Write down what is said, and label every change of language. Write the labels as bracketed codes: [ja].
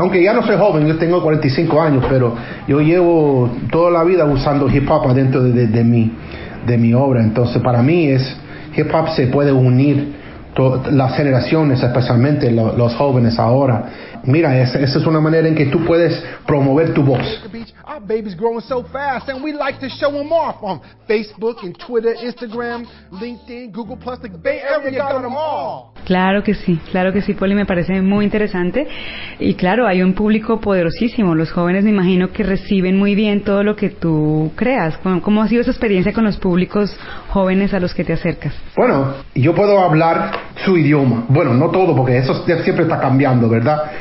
[es] Aunque ya no soy joven, yo tengo 45 años, pero yo llevo toda la vida usando hip hop adentro de mi obra. Entonces, para mí es hip hop, se puede unir las generaciones, especialmente los jóvenes ahora. Mira, esa es una manera en que tú puedes promover tu voz. [en] Our baby's growing so fast and we like to show them off on Facebook and Twitter, Instagram, LinkedIn, Google Plus, the Bay Area got them all. [es] Claro que sí, Poli, me parece muy interesante. Y claro, hay un público poderosísimo. Los jóvenes, me imagino que reciben muy bien todo lo que tú creas. ¿Cómo ha sido esa experiencia con los públicos jóvenes a los que te acercas? Bueno, yo puedo hablar su idioma. Bueno, no todo, porque eso siempre está cambiando, ¿verdad?